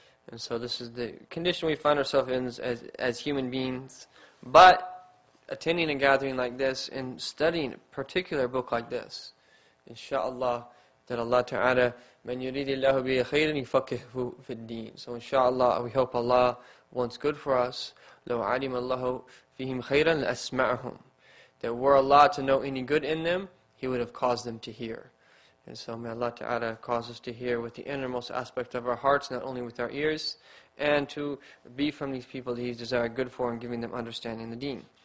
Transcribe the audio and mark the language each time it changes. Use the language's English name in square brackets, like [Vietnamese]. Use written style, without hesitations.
[English] And so this is the condition we find ourselves in as human beings. But attending a gathering like this and studying a particular book like this, inshallah, that Allah Ta'ala, [Arabic] من يريد الله به خيرا يفقهه في الدين. [English] So inshallah, we hope Allah wants good for us. [Arabic] لو علم الله فيهم خيرا لأسمعهم. [English] That were Allah to know any good in them, He would have caused them to hear. And so may Allah Ta'ala cause us to hear with the innermost aspect of our hearts, not only with our ears, and to be from these people that He desires good for and giving them understanding the deen.